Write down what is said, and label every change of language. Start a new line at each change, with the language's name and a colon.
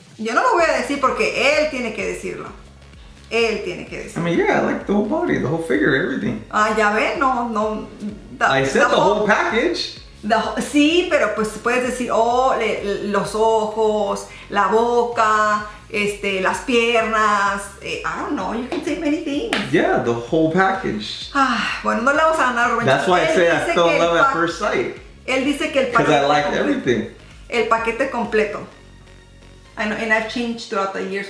Spanish: Yo no lo voy a decir porque él tiene que decirlo. Él tiene que decirlo.
English: I mean, yeah, I like the whole body, the whole figure, everything.
Spanish: Ah, ya ve, no.
English: I said the whole package.
Spanish: Sí, pero pues puedes decir, los ojos, la boca, las piernas.
English: I don't know, you can say many things. Yeah, the whole package.
Spanish: Ah, bueno, no le vamos a ganar, Rubén.
English: That's why él I say I fell in love at first sight.
Spanish: Él dice que el paquete completo.
English: Because I like everything.
Spanish: El paquete completo.
English: I know, and I've changed throughout the years.